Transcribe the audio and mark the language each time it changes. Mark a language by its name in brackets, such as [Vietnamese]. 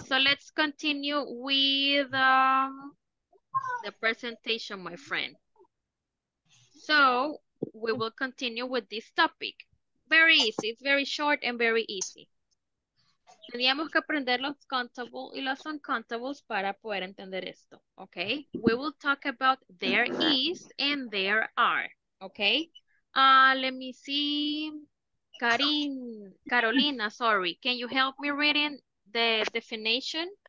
[English] So let's continue with the presentation, my friend. So we will continue with this topic. Very easy, it's very short and very easy. [Spanish] Teníamos que aprender los countable y los uncountables para poder entender esto, okay? [English] We will talk about there is and there are, okay? Let me see, Carolina, sorry. Can you help me reading the definition?